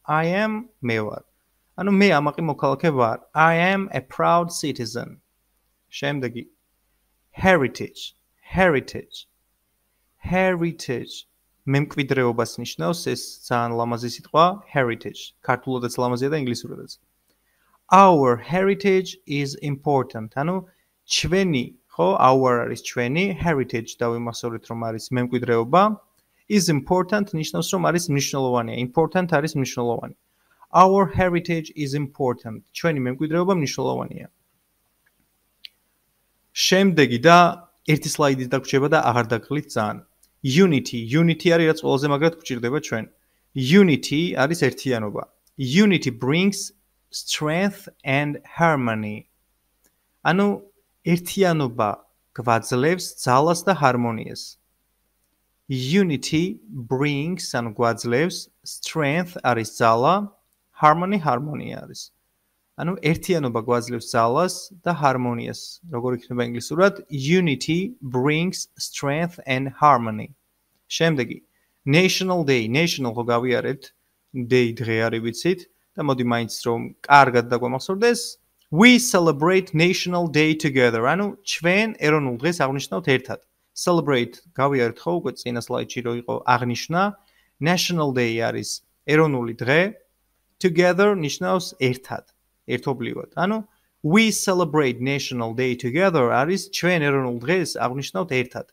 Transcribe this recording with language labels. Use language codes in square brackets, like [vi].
[ka] I am მე ვარ. ანუ მე ამაყი მოქალაქე ვარ. [en] I am a proud citizen. შემდეგი. Heritage. Heritage. Heritage. [ka] მემკვიდრეობას ნიშნავს, ეს ძალიან ლამაზი სიტყვა. Heritage. ქართულადაც ლამაზია და ინგლისურადაც. [en] Our heritage is important. [ka] ანუ ჩვენი, ხო, our არის ჩვენი, heritage დავიმახსოვრეთ რომ არის მემკვიდრეობა. [en] Is important [ka] ნიშნავს რომ არის მნიშვნელოვანია. Important არის მნიშვნელოვანი. [en] Our heritage is important. [ka] ჩვენი მემკვიდრეობა მნიშვნელოვანია. შემდეგი და ერთი სლაიდი დაგვრჩება და აღარ დაგხლით ძალიან. Unity. Unity არის რაც ყველაზე მაგრად გვჭირდება ჩვენ. Unity არის ერთიანობა. [en] Unity brings strength and harmony. [ka] ანუ ერთიანობა გვაძლევს ძალას და ჰარმონიას. [en] Unity brings, [ka] ანუ გვაძლევს strength არის ძალა, harmony ჰარმონია არის. ანუ ერთიანობა გვაძლევს ძალას და ჰარმონიას. როგორ იქნება ინგლისურად? [en] Unity brings strength and harmony. შემდეგი. National Day. National [ka] ხო გავიარეთ. day დღე არის ვიცით და მოდი მაინც რომ კარგად დაგვამახსოვრდეს. [en] We celebrate national day together. [ka] ანუ ჩვენ ეროვნულ დღეს აღნიშნავთ ერთად. Celebrate გავიარეთ ხო უკვე წინა სლაიდში რო იყო აღნიშნა. National day არის ეროვნული დღე. Together ნიშნავს ერთად, ერთობლივად. ანუ [en] we celebrate national day together [ka] არის ჩვენ ეროვნულ დღეს აღნიშნავთ ერთად.